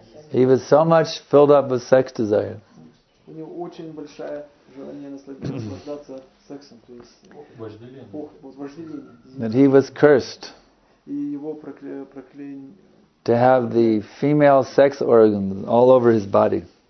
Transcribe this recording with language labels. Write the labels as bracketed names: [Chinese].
[English] He was so much filled up with sex desire. [Russian] У него очень большое желание наслаждаться сексом, то есть вожделение. [English] That he was cursed. [Russian] И его проклятие. [English] To have the female sex organs all over his body.